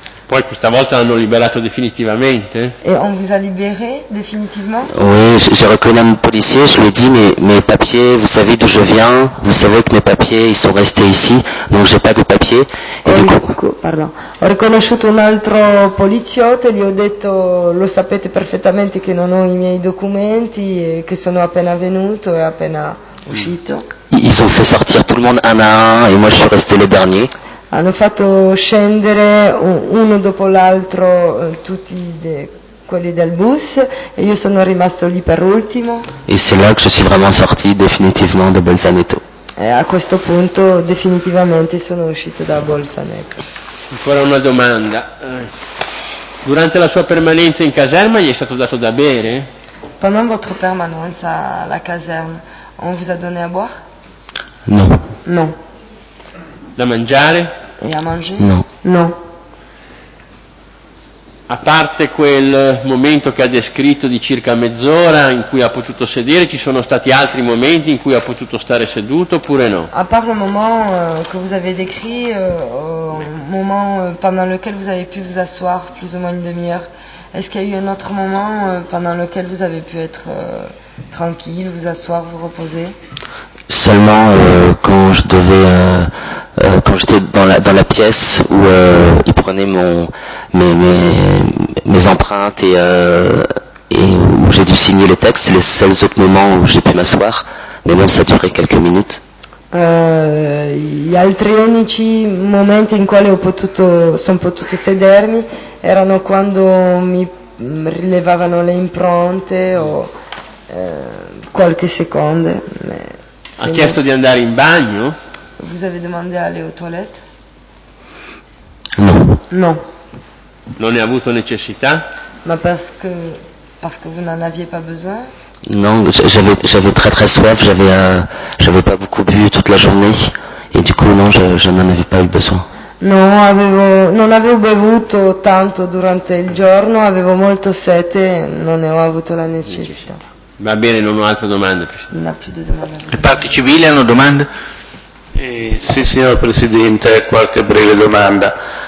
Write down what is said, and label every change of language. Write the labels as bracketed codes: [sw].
[it] Poi questa volta l'hanno liberato definitivamente. [fr] E on vous a libéré définitivement? Oui, j'ai reconnu un policier, je lui ai dit mes papiers, vous savez d'où je viens, vous savez que mes papiers ils sont restés ici, donc j'ai pas de papiers. [it] Ho riconosciuto un altro poliziotto e gli ho detto, lo sapete perfettamente che non ho i miei documenti e che sono appena venuto e appena uscito. [fr] Ils ont fait sortir tout le monde un à un et moi je suis resté le dernier. [it] Hanno fatto scendere uno dopo l'altro tutti quelli del bus e io sono rimasto lì per ultimo. [fr] E c'est là que je suis vraiment sorti définitivement de Bolzaneto. [it] E a questo punto definitivamente sono uscito da Bolzaneto. Ancora una domanda. Durante la sua permanenza in caserma gli è stato dato da bere? [fr] Pendant votre permanence à la caserne, on vous a donné à boire? Non. Non. [it] Da mangiare? E a mangiare? No. No. A parte quel momento che ha descritto di circa mezz'ora in cui ha potuto sedere, ci sono stati altri momenti in cui ha potuto stare seduto oppure no? A parte il momento che [fr] vous avez décrit, moment pendant lequel vous avez pu vous asseoir plus ou moins une demi-heure, est-ce qu'il y a eu un autre moment pendant lequel vous avez pu être tranquille, vous asseoir, vous reposer? Seulement quand je devais quand j'étais dans la pièce où il prenait mes empreintes et où j'ai dû signer les textes, c'est les seuls autres moments où j'ai pu m'asseoir, mais bon, ça a duré quelques minutes. [it] Gli altri unici momenti in quale sono potuto sedermi erano quando mi rilevavano le impronte o qualche secondo. Ha chiesto di andare in bagno? [fr] Vous avez demandé à aller aux toilettes? Non. Non. [it] Non ne avuto necessità? [fr] Ma parce que vous n'en aviez pas besoin? Non, j'avais très très soif, j'avais pas beaucoup bu toute la journée et du coup non, je n'en avais pas eu besoin. [it] Non avevo bevuto tanto durante il giorno, avevo molto sete, non ne ho avuto la necessità. Va bene, non ho altre domande. Non ha più di domande. Le parti civili hanno domande? Sì, signor Presidente, qualche breve domanda.